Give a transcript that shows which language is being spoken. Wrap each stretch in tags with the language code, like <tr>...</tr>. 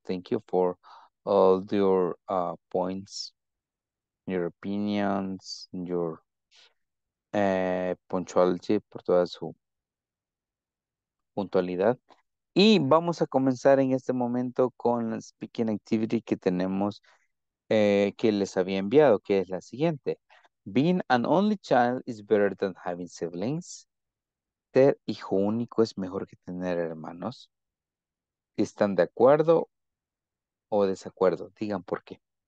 <en>Thank you for all your points, your opinions, your punctuality,</en> <es>por toda su puntualidad. Y vamos a comenzar en este momento con la speaking activity que tenemos, que les había enviado, que es la siguiente.</es> <en>Being an only child is better than having siblings.</en> <es>Ser hijo único es mejor que tener hermanos. ¿Están de acuerdo o desacuerdo? Digan por qué.</es>